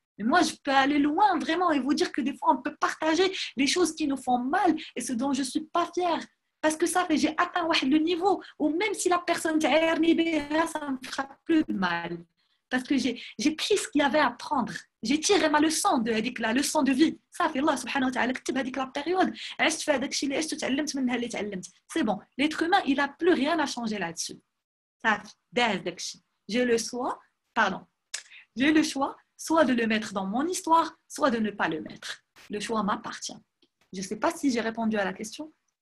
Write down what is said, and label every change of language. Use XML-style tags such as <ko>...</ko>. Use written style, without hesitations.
<fr>Mais moi, je peux aller loin vraiment et vous dire que des fois, on peut partager les choses qui nous font mal et ce dont je ne suis pas fière. Parce que ça fait, j'ai atteint le niveau où même si la personne t'a RNB, ça ne me fera plus mal. Parce que j'ai pris ce qu'il y avait à prendre. J'ai tiré ma leçon de هذيك la leçon de vie. Ça fait Allah subhanahu wa ta'ala كتب هذيك la période.</fr> <ar>عشت في هذاك الشيء اللي عشت وتعلمت منها اللي تعلمت.</ar> <fr>C'est bon. L'être humain, il a plus rien à changer là-dessus.</fr> <ar>Ça داز داك الشيء.</ar> <fr>J'ai le choix soit de le mettre dans mon histoire, soit de ne pas le mettre. Le choix m'appartient. Je sais pas si j'ai répondu à la question.</fr>